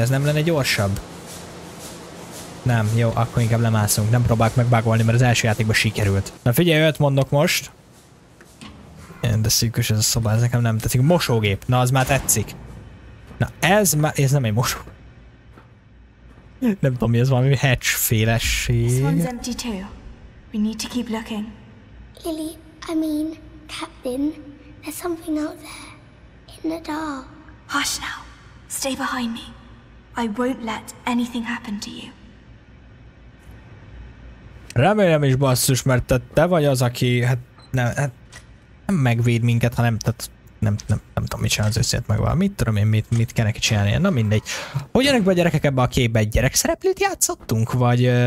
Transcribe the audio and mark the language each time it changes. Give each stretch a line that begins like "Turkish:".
Hungarian: Az nem lenne gyorsabb? Nem, jó, akkor inkább lemászunk. Nem próbálok megbugolni, mert az első játékban sikerült. Na figyelj, őt mondok most. De szűkös ez a szoba, ez nekem nem tetszik. Mosógép! Na az már tetszik. Na ez már... Ez nem egy mosógép. Nem tudom, mi ez, valami hatch-félesség.
English: This one's empty too. We need to keep looking. Lily, I mean, Captain, There's something out there, in the dark. Hush now. Stay behind me. I won't let anything happen to you.
Hungarian: Remélem is, basszus, mert te vagy az, aki nem megvéd minket, hanem nem tudom, mit csinál az összélet meg valami. Mit tudom én, mit kell neki csinálni. Na mindegy. Hogyan ők be a gyerekek ebbe a képbe? Egy gyerekszereplőt játszottunk? Vagy...